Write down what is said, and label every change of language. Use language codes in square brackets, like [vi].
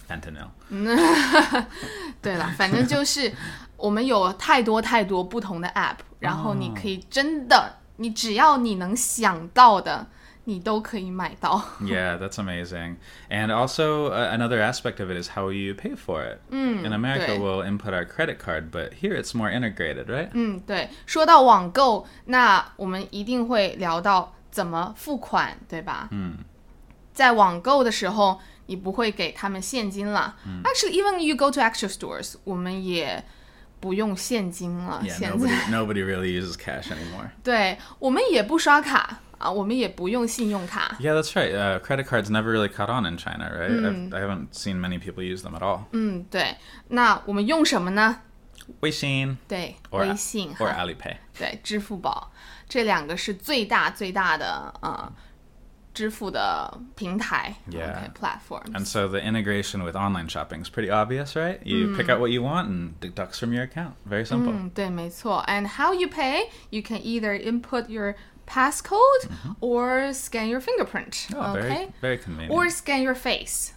[en] Fentanyl. [zh] 对了，反正就是我们有太多太多不同的 app, 然后你可以真的，你只要你能想到的你都可以买到。 [en] Yeah, that's amazing. And also, another aspect of it is how you pay for it. In America, we'll input our credit card, but here it's more integrated, right? [zh] 对。说到网购，那我们一定会聊到怎么付款，对吧？在网购的时候，你不会给他们现金了。 [en] Actually, even you go to actual stores, 我们也不用现金了。 Yeah, 现在 nobody really uses cash anymore. [zh] 对，我们也不刷卡。我们也不用信用卡。 [en] Yeah, that's right. Credit cards never really caught on in China, right? I haven't seen many people use them at all. [zh] 对。那我们用什么呢？微信。对。 [en] Or, [zh] 微信。 [en] Or Alipay. [zh] 对，支付宝。这两个是最大最大的支付的平台。 [en] Yeah. Okay, platforms. And so the integration with online shopping is pretty obvious, right? You pick out what you want and deducts from your account. Very simple. 对，没错。 And how you pay? You can either input your passcode or scan your fingerprint. Very convenient. Or scan your face.